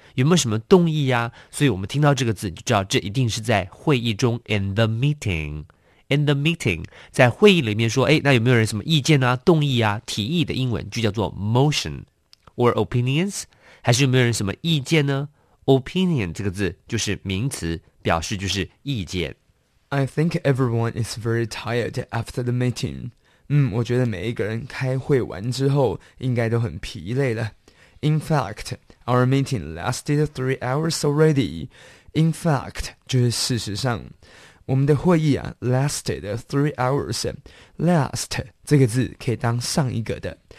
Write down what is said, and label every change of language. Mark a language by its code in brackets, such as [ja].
[zh] 有没有什么动议呀？所以我们听到这个字就知道这一定是在会议中 [en] in the meeting. In the meeting, [zh] 在会议里面说，哎，那有没有人什么意见啊、动议啊、提议的英文就叫做 motion. [en] Or opinions? [zh] 还是有没有人什么意见呢? Opinion 这个字就是名词，表示就是意见。 [en] I think everyone is very tired after the meeting. [zh] 我觉得每一个人开会完之后应该都很疲累了。 [en] In fact, our meeting lasted 3 hours already. In fact, [zh] 就是事实上。我们的会议啊 [en] lasted 3 hours. [zh] Last, 这个字可以当上一个的。